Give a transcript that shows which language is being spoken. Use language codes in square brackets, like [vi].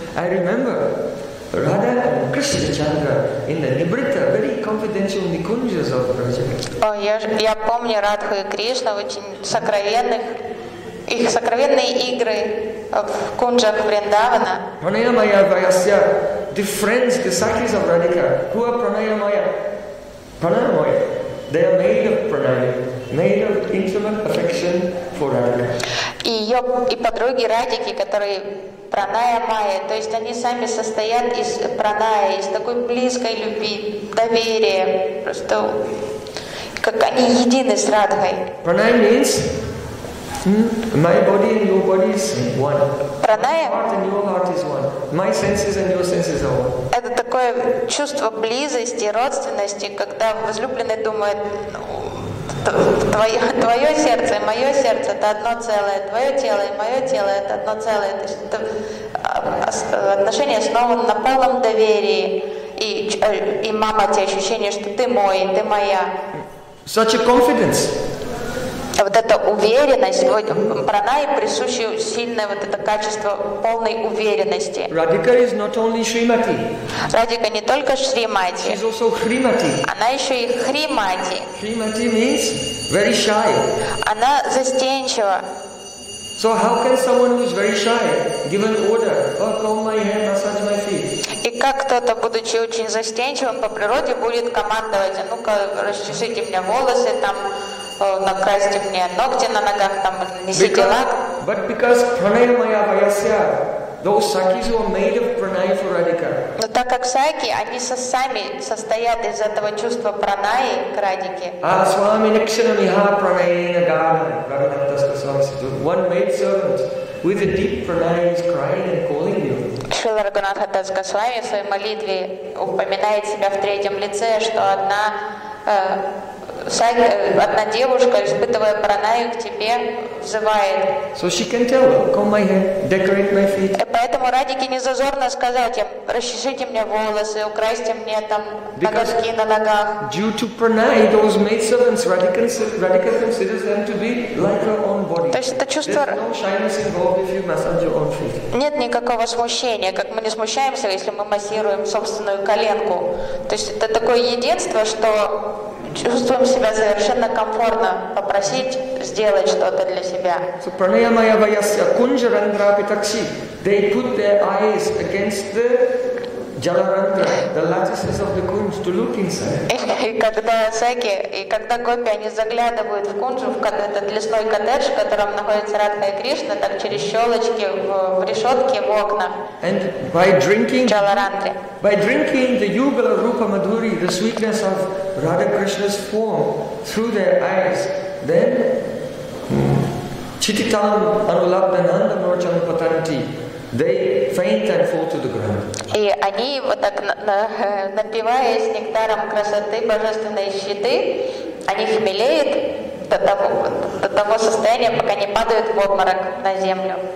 [en] I remember Radha and Krishna Chandra in the Nibrita, very confidential Nikunjas of Braja. [ru] Oh, я помню Радху и Кришна в очень сокровенных, их сокровенные игры в кунджах Вриндавана. [en] Pranayamaya Vayasya, the friends, the sakis of Radhika, who are Pranayamaya? Pranayamaya. They are made of pranayama, made of intimate affection for Radhika. [ru] И подруги Радики, которые пранаямая, то есть они сами состоят из праная, из такой близкой любви, доверия, просто как они едины с Радхой. [en] Праная means my body and your body is one. [ru] Праная? [en] Heart and your heart is one. My senses and your senses are one. [ru] Это такое чувство близости, родственности, когда возлюбленный думает. Твое сердце и мое сердце — это одно целое. Твое тело и мое тело — это одно целое. То есть это отношение основано на полном доверии. И мама, те ощущения, что ты мой, ты моя. [en] Such a confidence. [ru] Вот эта уверенность, вот пранайи присуще сильное вот это качество полной уверенности. [en] Radhika is not only Shrimati. [ru] Radhika не только Шримати. [en] She's also Хримати. [ru] Она еще и Хримати. [en] Хримати means very shy. [ru] Она застенчива. [en] So how can someone who's very shy give an order, oh, comb my hair, massage my feet? [ru] И как кто-то, будучи очень застенчивым по природе, будет командовать, а ну-ка расчесите мне волосы там. Накрасьте мне ногти на ногах, там несите лак. [en] But because pranayamaya vayasya, those sakis were made of pranaya for Radhika. [ru] Но так как саки, они сами состоят из этого чувства пранаи к Радике. [sa] Асвами никшинамиха пранаяна гана. Раганатаска свамсиду. [en] One maid servant with a deep pranaya is crying and calling you. [ru] Шрила Раганатаска свами в своей молитве упоминает себя в третьем лице, что одна одна девушка, испытывая пранаю к тебе, взывает. [en] So she can tell, comb my hair, decorate my feet. [ru] Поэтому Радике не зазорно сказать им, расчешите мне волосы, украсьте мне там ноготки на ногах. [en] Due to pranay, those maidservants, Radhika considers them to be like her own body. [ru] То есть это чувство. [en] There's no shyness involved if you massage your own feet. [ru] Нет никакого смущения, как мы не смущаемся, если мы массируем собственную коленку. То есть это такое единство, что чувствуем себя совершенно комфортно попросить сделать что-то для себя. [sa] So pranayamaya vayasya kunjarandra pitakshi. [en] They put their eyes against the jalarandra, the lattices of the kunj, to look inside. [ru] И когда саки, и когда гопи, они заглядывают в кунжу, в этот лесной коттедж, в котором находится Радха и Кришна, так через щелочки, в решетке, в окнах. [en] And by drinking [sa] jalarandra. [en] By drinking the yugala rupa madhuri, the sweetness of Radha Krishna's form through their eyes, then [sa] chititam anulabdhananda norchan patanti. [en] They faint and fall to the ground. [ru] И они вот так напиваясь нектаром красоты божественной щиты, они хмелеют до того состояния, пока не падают в обморок на землю.